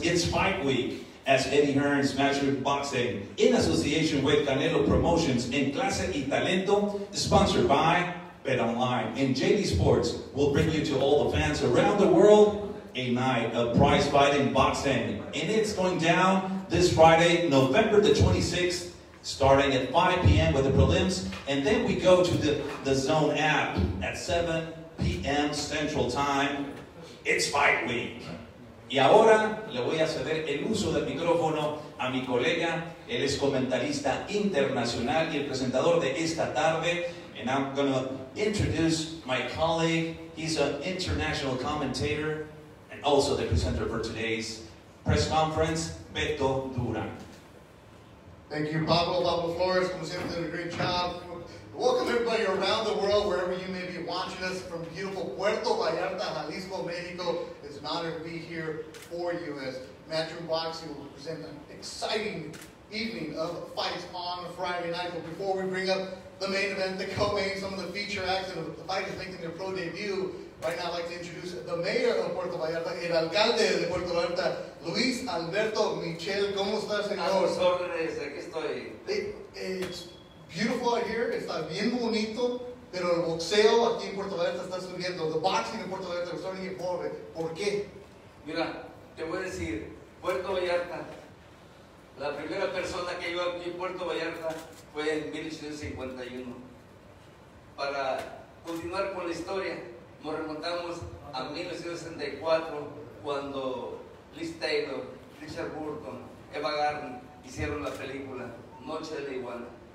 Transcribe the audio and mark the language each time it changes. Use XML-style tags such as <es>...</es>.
<en>It's Fight Week as Eddie Hearn's Matchroom Boxing in association with Canelo Promotions en Clase y Talento, sponsored by Bet Online and JD Sports will bring you to all the fans around the world a night of prize fighting boxing. And it's going down this Friday, November the 26th, starting at 5 p.m. with the prelims. And then we go to the Zone app at 7 p.m. Central Time. It's Fight Week.</en> <es>Y ahora le voy a ceder el uso del micrófono a mi colega. Él es comentarista internacional y el presentador de esta tarde.</es> <en>And I'm going to introduce my colleague. He's an international commentator and also the presenter for today's press conference, Beto Durán. Thank you, Pablo. Pablo Flores,</en> <es>como siempre,</es> <en>did a great job. Welcome, everybody, around the world, wherever you may be watching us from beautiful Puerto Vallarta, Jalisco, Mexico. It's an honor to be here for you as Matchroom Boxing will present an exciting evening of fights on Friday night. But before we bring up the main event, the co-main, some of the feature acts of the fighters making their pro debut, right now I'd like to introduce the mayor of Puerto Vallarta,</en> <es>el alcalde de Puerto Vallarta,</es> <en>Luis Alberto Michel.</en> <es>¿Cómo está, señor? A sus órdenes, aquí estoy.</es> <en>It's beautiful out here,</en> <es>está bien bonito, pero el boxeo aquí en Puerto Vallarta está subiendo.</es> <en>The boxing in Puerto Vallarta is starting to get more.</en> <es>¿Por qué? Mira, te voy a decir, Puerto Vallarta, la primera persona que iba aquí en Puerto Vallarta fue en 1851. Para continuar con la historia, nos remontamos a 1964, cuando Liz Taylor, Richard Burton, Eva Garden hicieron la película Noche de la Iguana.</es>